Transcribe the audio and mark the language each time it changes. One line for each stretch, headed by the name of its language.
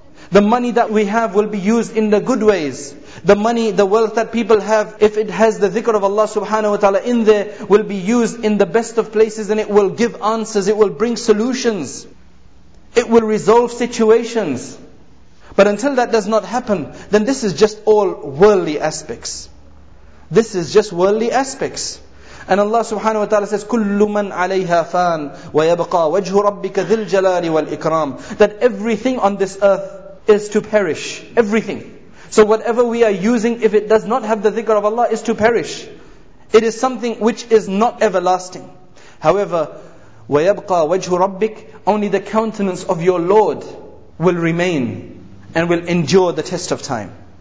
English: The money that we have will be used in the good ways. The money, the wealth that people have, if it has the dhikr of Allah subhanahu wa ta'ala in there, will be used in the best of places, and it will give answers, it will bring solutions. It will resolve situations. But until that does not happen, then this is just all worldly aspects. This is just worldly aspects. And Allah subhanahu wa ta'ala says,
Arabic: كُلُّ مَنْ عَلَيْهَا فَانْ وَيَبْقَى وَجْهُ رَبِّكَ ذِي الْجَلَالِ وَالْإِكْرَامِ.
English: That everything on this earth is to perish. Everything. So whatever we are using, if it does not have the dhikr of Allah, is to perish. It is something which is not everlasting. However,
Arabic: وَيَبْقَى وَجْهُ رَبِّكَ,
English: only the countenance of your Lord will remain and will endure the test of time.